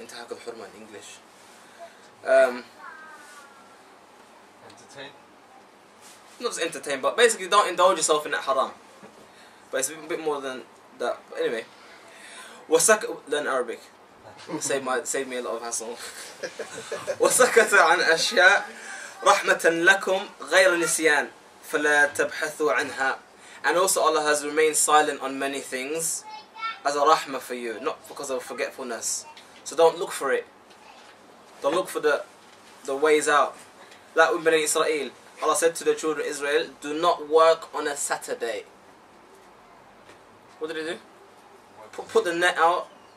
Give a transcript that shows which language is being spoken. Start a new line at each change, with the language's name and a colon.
English: Intihak al-hurma in English. Entertain. Not just entertain, but basically don't indulge yourself in that haram. But it's a bit more than that. But anyway, wasak, learn Arabic. save me a lot of hassle.
Arabic: وسكت عن أشياء رحمة لكم غير نسيان فلا تبحثوا عنها.
English: And also Allah has remained silent on many things as a rahmah for you, not because of forgetfulness. So don't look for it. Don't look for the the ways out. Like with Bani Israel, Allah said to the children of Israel, do not work on a Saturday. What did they do? Put the net out.